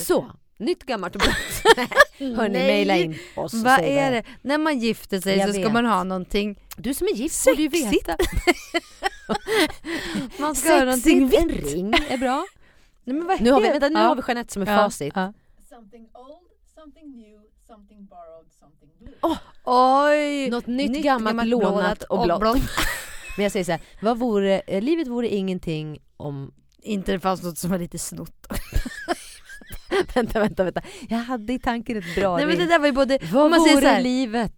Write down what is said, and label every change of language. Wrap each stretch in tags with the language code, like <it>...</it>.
<sv>Så, nytt, gammalt och blått. Hörrni, mejla in oss. Vad är det? När man gifter sig så ska man ha någonting. Du som är gift får du veta. Man ska ha någonting vitt. En ring är bra. Nej, men vad nu har vi, vänta, nu har vi Jeanette som är facit.</sv> <en>Something old, something new. Something borrowed, something blue.</en> <sv>Oh, något nytt, gammalt, lånat och blått. Men jag säger så här, vad vore, livet vore ingenting om inte det fanns något som var lite snott. vänta. Jag hade i tanken ett bra. Nej, men det där var ju både, vad man vore här, livet?</sv>